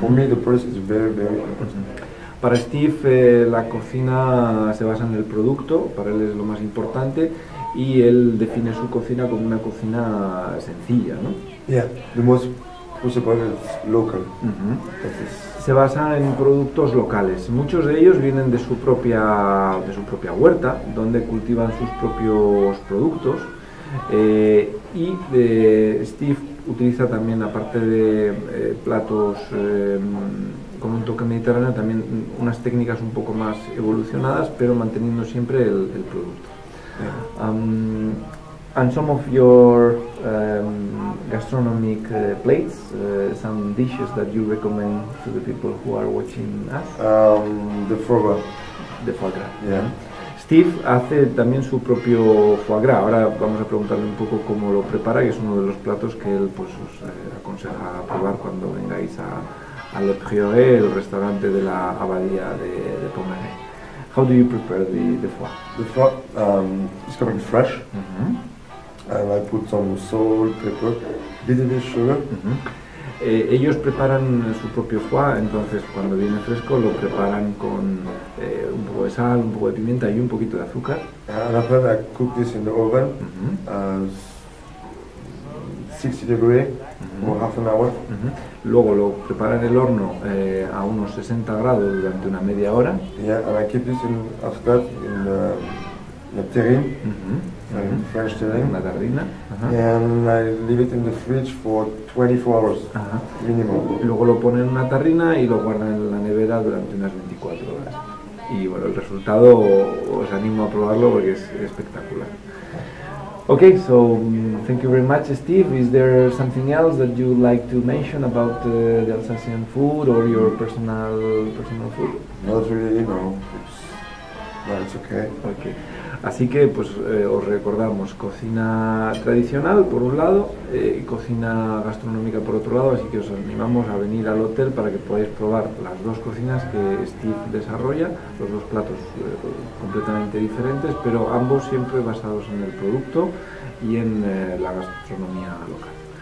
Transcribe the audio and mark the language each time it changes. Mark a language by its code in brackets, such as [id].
[en] For me, the produce is very, very important. [es] Para Steve, la cocina se basa en el producto. Para él es lo más importante, y él define su cocina como una cocina sencilla, ¿no? [en] Yeah, the most possible is local. [es] Mm-hmm. Se basa en productos locales. Muchos de ellos vienen de su propia huerta, donde cultivan sus propios productos. Steve utiliza también, aparte de platos con un toque mediterráneo, también unas técnicas un poco más evolucionadas, pero manteniendo siempre el producto. [en] And some of your gastronomic plates, some dishes that you recommend to the people who are watching us? The foie gras. The foie gras. Yeah. [es] Steve hace también su propio foie gras. Ahora vamos a preguntarle un poco cómo lo prepara, y es uno de los platos que él pues os aconseja probar cuando vengáis a Le Prieuré, el restaurante de la abadía de Pomeray. [en] How do you prepare the foie? The foie is coming fresh, mm-hmm. and I put some salt, pepper, little bit of sugar. Mm-hmm. [es] Ellos preparan su propio foie, entonces cuando viene fresco lo preparan con un poco de sal, un poco de pimienta y un poquito de azúcar. [en] And after that, I cook this in the oven, mm-hmm. 60 degrees, mm-hmm. for half an hour. Mm-hmm. [es] Luego lo preparan en el horno a unos 60 grados durante una media hora. [en] Yeah, and I keep this in the terrin. Mm-hmm. Mm-hmm. French terrine, [es] la tardina, uh-huh. [en] and I leave it in the fridge for 24 hours uh-huh. minimum. [es] Luego lo ponen en una tarrina y lo guardan en la nevera durante unas 24 horas. Y bueno, el resultado, os animo a probarlo porque es espectacular. [en] Okay, so thank you very much, Steve. Is there something else that you'd like to mention about the Alsacian food or your personal food? Not really, no. It's okay. [es] Así que pues os recordamos, cocina tradicional por un lado y cocina gastronómica por otro lado, así que os animamos a venir al hotel para que podáis probar las dos cocinas que Steve desarrolla, los dos platos completamente diferentes, pero ambos siempre basados en el producto y en la gastronomía local.